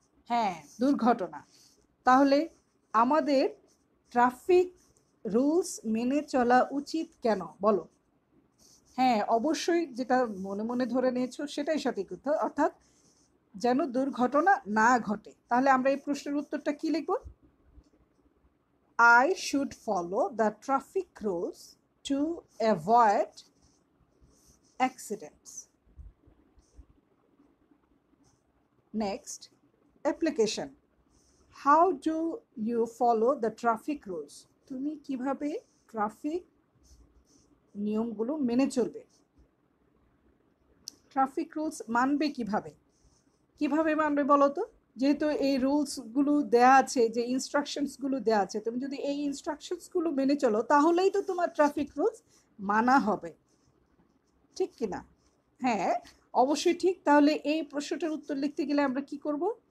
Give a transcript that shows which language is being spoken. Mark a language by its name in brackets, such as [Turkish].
[Bangla] হ্যাঁ, দুর্ঘটনা। তাহলে আমাদের ট্রাফিক রুলস মেনে চলা উচিত কেন বলো? হ্যাঁ, অবশ্যই যেটা মনে মনে ধরে নিয়েছো সেটাই সঠিক উত্তর, অর্থাৎ যেন দুর্ঘটনা না ঘটে। তাহলে আমরা এই প্রশ্নের উত্তরটা কী লিখব, [English] I should follow the traffic rules to avoid accidents. Next, application. How do you follow the traffic rules? [Bangla] Tumi kibhabe traffic niyom gulo mene chorbe. Traffic rules manbe kibhabe. Kibhabe manbe bolo to? যেহেতু এই রুলসগুলো দেওয়া আছে, যে ইনস্ট্রাকশনসগুলো দেওয়া আছে, তুমি যদি এই ইনস্ট্রাকশনসগুলো মেনে চলো তাহলেই তো তোমার ট্রাফিক রুলস মানা হবে, ঠিক কি না? হ্যাঁ, অবশ্যই ঠিক। তাহলে এই প্রশ্নটার উত্তর লিখতে গেলে আমরা কি করব?